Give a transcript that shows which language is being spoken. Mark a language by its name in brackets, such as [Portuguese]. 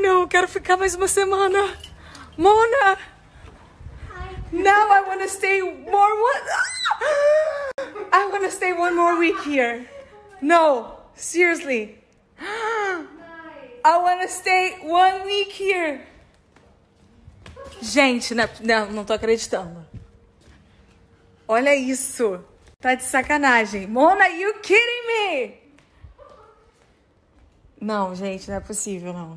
[Portuguese] Não, quero ficar mais uma semana! Mona! [English] Hi. Now I want to stay more one... Ah! I want to stay one more week here! No, seriously! Nice. I wanna stay one week here. [Portuguese] Gente, não tô acreditando. Olha isso. Tá de sacanagem. Mona, [English] are you kidding me? [Portuguese] Não, gente, não é possível, não.